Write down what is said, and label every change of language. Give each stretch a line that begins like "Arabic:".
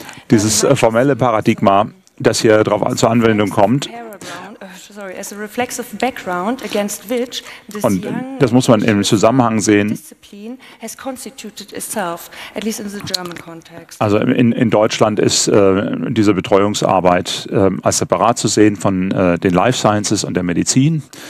German: Dieses formelle Paradigma, das hier darauf zur Anwendung kommt,
English: as a reflexive background against which
German: this und das muss man im Zusammenhang sehen.
English: Has constituted itself, at least in the German context.
German: Also in Deutschland ist diese Betreuungsarbeit als separat zu sehen von den Life Sciences und der Medizin.